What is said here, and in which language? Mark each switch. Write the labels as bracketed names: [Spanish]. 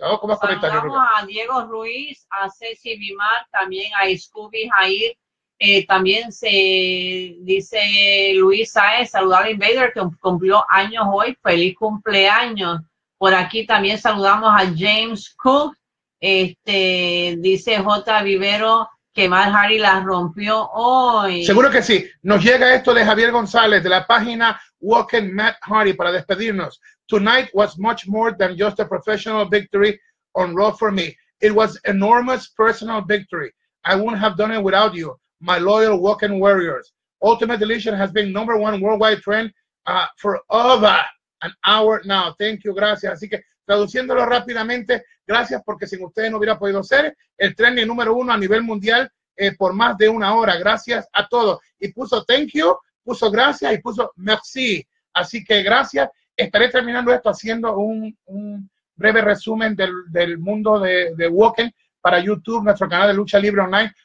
[Spanish] Vamos con más comentarios. Saludamos a Diego Ruiz, a Ceci Vimar, también a Scooby Jair, también se dice Luis Saez, saludar a Invader, que cumplió años hoy, feliz cumpleaños. Por aquí también saludamos a James Cook, dice J. Vivero que Matt Hardy la rompió hoy. Seguro que sí. Nos llega esto de Javier González de la página Walking Matt Hardy para despedirnos. [English] Tonight was much more than just a professional victory on Raw for me. It was enormous personal victory. I wouldn't have done it without you, my loyal Walking Warriors. Ultimate Deletion has been number one worldwide trend for over an hour now. Thank you, [Spanish] gracias. Así que traduciéndolo rápidamente, gracias, porque sin ustedes no hubiera podido ser el trending número uno a nivel mundial por más de una hora. Gracias a todos. Y puso [English] thank you, [Spanish] puso gracias y puso merci. Así que gracias. Estaré terminando esto haciendo un breve resumen del mundo de Woken para YouTube, nuestro canal de lucha libre online.